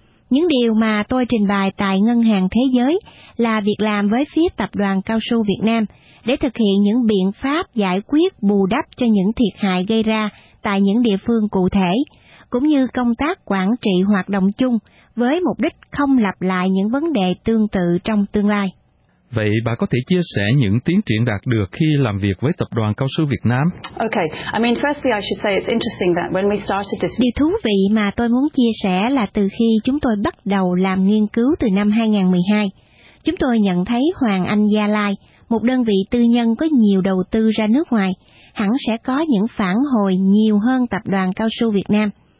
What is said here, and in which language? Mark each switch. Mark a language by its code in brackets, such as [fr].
[vi] Những điều mà tôi trình bày tại Ngân hàng Thế giới là việc làm với phía Tập đoàn Cao su Việt Nam để thực hiện những biện pháp giải quyết bù đắp cho những thiệt hại gây ra tại những địa phương cụ thể, cũng như công tác quản trị hoạt động chung với mục đích không lặp lại những vấn đề tương tự trong tương lai. Vậy bà có thể chia sẻ những tiến triển đạt được khi làm việc với Tập đoàn Cao su Việt Nam? [en] Okay, I mean firstly I should say it's interesting that when we started this. [vi] Điều thú vị mà tôi muốn chia sẻ là từ khi chúng tôi bắt đầu làm nghiên cứu từ năm 2012, chúng tôi nhận thấy Hoàng Anh Gia Lai, một đơn vị tư nhân có nhiều đầu tư ra nước ngoài, hẳn sẽ có những phản hồi nhiều hơn Tập đoàn Cao su Việt Nam.